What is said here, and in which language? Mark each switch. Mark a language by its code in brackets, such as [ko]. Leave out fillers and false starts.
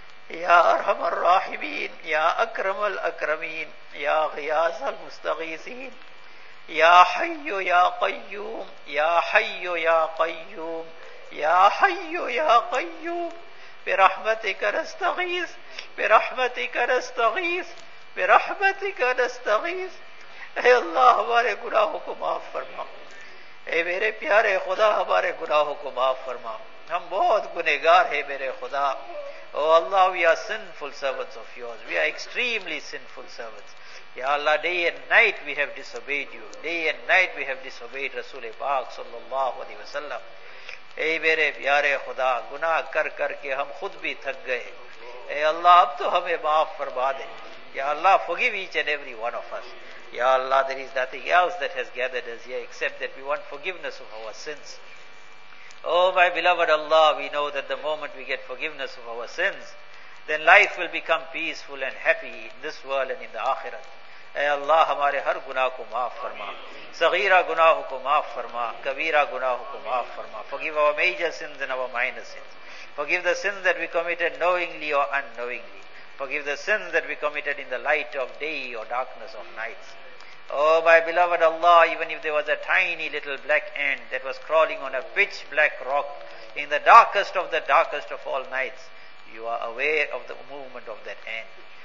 [ar] يا أرحم الراحمين، يا أكرم الأكرمين، يا غياث المستغيثين، يا حي يا قيوم، يا حي يا قيوم، يا حي يا قيوم، برحمتك نستغيث، برحمتك نستغيث، برحمتك نستغيث. [ur] اے اللہ ہمارے گناہوں کو معاف فرما. اے میرے پیارے خدا ہمارے گناہوں کو معاف فرما. ہم بہت گنہگار ہیں میرے خدا. [en] Oh Allah, we are sinful servants of yours, we are extremely sinful servants. یا Allah, day and night we have disobeyed you, day and night we have disobeyed رسول پاک صلی اللہ علیہ وسلم. [ur] اے میرے پیارے خدا، گناہ کر کر کے ہم خود بھی تھک گئے. اے اللہ، اب تو ہمیں معاف فرما دے. یا اللہ، [en] Forgive each and every one of us. یا Allah, there is nothing else that has gathered us here except that we want forgiveness of our sins. Oh my beloved Allah, we know that the moment we get forgiveness of our sins, then life will become peaceful and happy in this world and in the آخرت. [ur] اے اللہ، ہمارے ہر گناہ کو معاف فرما. صغیرہ گناہ کو معاف فرما، کبیرہ گناہ کو معاف فرما. [en] Forgive our major sins and our minor sins. Forgive the sins that we committed knowingly or unknowingly. Forgive the sins that we committed in the light of day or darkness of night. Oh, my beloved Allah, even if there was a tiny little black ant that was crawling on a pitch black rock in the darkest of all nights, you are aware of the movement of that ant.